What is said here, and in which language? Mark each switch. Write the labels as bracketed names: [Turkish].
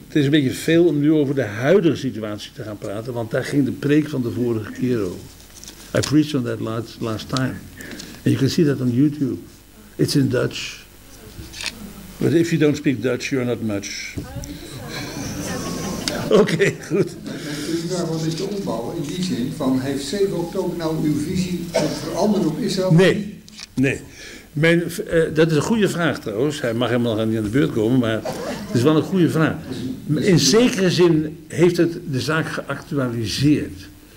[Dutch] Het is een beetje veel om nu over de huidige situatie te gaan praten. Want daar ging de preek van de vorige keer over. [English] I preached on that last time. And you can see that on YouTube. It's in Dutch. But if you don't speak Dutch, you're not much. [Dutch] Oké, goed. Mijn vraag was een beetje ombouwen in die zin van, heeft 7 oktober nou uw visie veranderd op Israël? Nee. Dat is een goede vraag trouwens. Hij mag helemaal niet aan de beurt komen, maar het is wel een goede vraag. In zekere zin heeft het de zaak geactualiseerd.